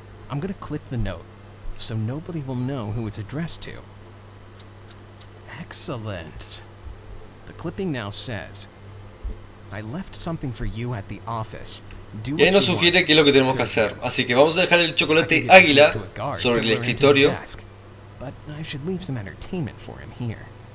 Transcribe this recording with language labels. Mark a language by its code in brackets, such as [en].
[en] I'm gonna clip the note so nobody will know who it's addressed to. Excellent. The clipping now says, I left something for you at the office. Do [es] y ahí nos sugiere qué es lo que tenemos que hacer. Así que vamos a dejar el chocolate águila sobre el escritorio. [en] But I should leave some entertainment for him here.